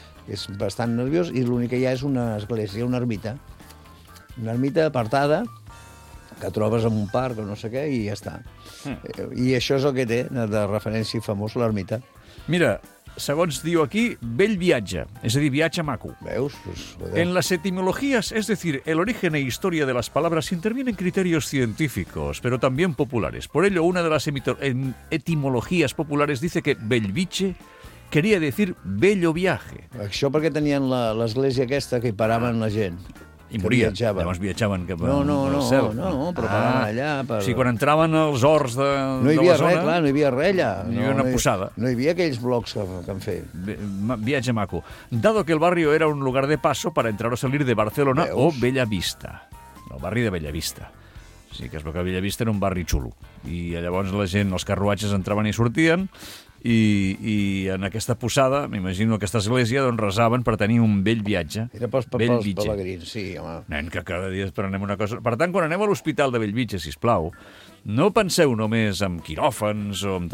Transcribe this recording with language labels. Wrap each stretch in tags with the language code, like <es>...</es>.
<ca>És bastant nerviós, i l'únic que hi ha és una església, una ermita. Una ermita apartada, que trobes en un parc o no sé què, i ja està. I això és el que té, de referència famós, l'ermita. Mira... Segons diu aquí, bell viatge, és a dir, viatge maco. Veus?</ca> <es>Pues, en las etimologías, es decir, el origen e historia de las palabras intervienen criterios científicos, pero también populares. Por ello, una de las etimologías populares dice que Bellvitge quería decir bello viaje.</es> <ca>Això perquè tenien l'església aquesta que hi paraven la gent. I morien, llavors viatjaven cap al cel. No, però paraven allà. Per... O sigui, quan entraven els horts de la zona... No hi havia res, clar, no hi havia res allà. Ni una posada. No hi havia aquells blocs que han fet. Viatge maco.</ca> <es>Dado que el barrio era un lugar de paso para entrar o salir de Barcelona o Bellavista.</es> <ca>El barri de Bellavista. O sigui, que es veu que Bellavista era un barri xulo. I llavors la gent, els carruatges entraven i sortien... I en aquesta posada, m'imagino, aquesta església, doncs resaven per tenir un bell viatge. Era pels pelegrins, sí, home. Nen, que cada dia esperem una cosa... Per tant, quan anem a l'Hospital de Bellvitge, sisplau, no penseu només en quiròfans o...</ca>